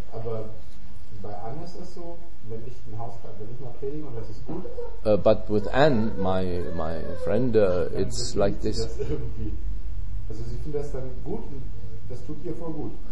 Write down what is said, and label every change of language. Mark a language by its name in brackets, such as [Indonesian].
[German] Aber bei Anne ist es so, wenn ich ein Haus habe, wenn ich mal predige und das ist gut. [English] But with Anne, my friend, it's like this. [German] Also sie findet das dann gut und das tut ihr voll gut.